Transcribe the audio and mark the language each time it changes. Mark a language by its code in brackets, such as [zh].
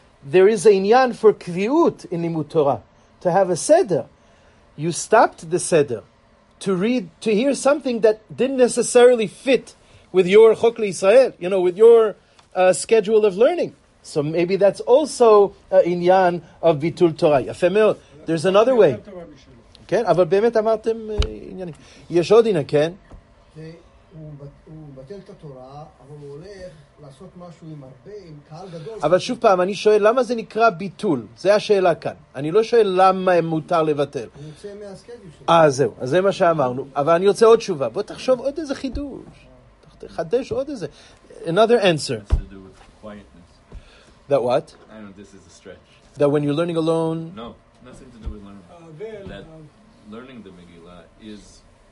[en] There is a inyan for kviut in limud Torah, to have a seder. You stopped the seder to read, to hear something that didn't necessarily fit with your Chok LeYisrael, you know, with your schedule of learning. So maybe that's also an inyan of bitul Torah. [he] Yafeh me'od. [en] There's another way. [he] כן, אבל באמת אמרתם עניינים. יש עוד עניין, כן? הוא בטל את התורה, אבל הוא הולך לעשות משהו עם הרבה, עם קהל גדול. אבל שוב פעם, אני שואל, למה זה נקרא ביטול? זה השאלה כאן. אני לא שואל למה מותר לבטל. הוא יוצא מהסקדיו שלו. זהו, אז זה מה שאמרנו. אבל אני רוצה עוד תשובה. בוא תחשוב עוד איזה חידוש. תחדש עוד איזה. [en] Another answer. It has to do with quietness. That what? I don't know, this is a stretch. That when you're learning alone... No, nothing to do with learning. That learning the Megillah is